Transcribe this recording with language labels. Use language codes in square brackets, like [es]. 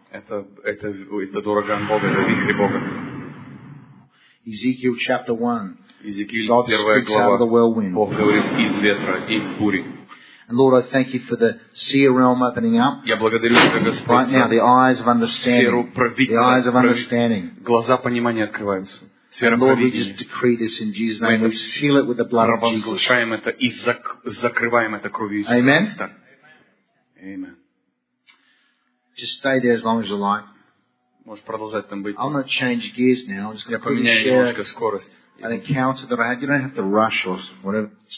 [ru] Это ураган Бога, это вихрь Бога. [en] Ezekiel chapter 1. Ezekiel, God speaks out of the whirlwind. [ru] Бог говорит из ветра, из бури. [en] And Lord, I thank you for the seer realm opening up. [ru] Я благодарю тебя, Господь. [en] Right now, the eyes of understanding. The eyes of understanding. [ru] Глаза понимания открываются. [en] And Lord, we just decree this in Jesus' name. We seal it with the blood of Jesus. [ru] Провозглашаем это и закрываем это кровью Иисуса. [en] Amen. Amen. Just stay there as long as you like. [ru] Можешь продолжать там быть. [en] I'm going to change gears now. [ru] Я поменяю немножко скорость. [en] An encounter that I had. You don't have to rush or whatever.